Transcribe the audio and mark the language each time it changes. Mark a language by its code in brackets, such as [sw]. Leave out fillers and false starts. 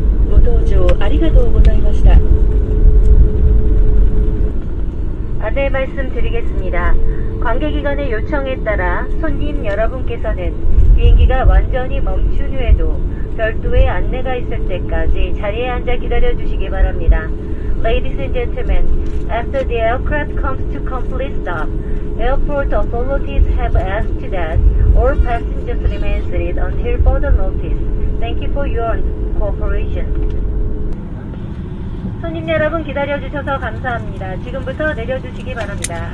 [ja] ご搭乗ありがとうございました。 [ko] 안내 말씀드리겠습니다. 관계기관의 요청에 따라 손님 여러분께서는 비행기가 완전히 멈춘 후에도 별도의 안내가 있을 때까지 자리에 앉아 기다려주시기 바랍니다. [en] Ladies and gentlemen, after the aircraft comes to complete stop, airport authorities have asked that all passengers remain seated until further notice. Thank you for your cooperation. [ko] 손님 여러분 기다려주셔서 감사합니다. 지금부터 내려주시기 바랍니다.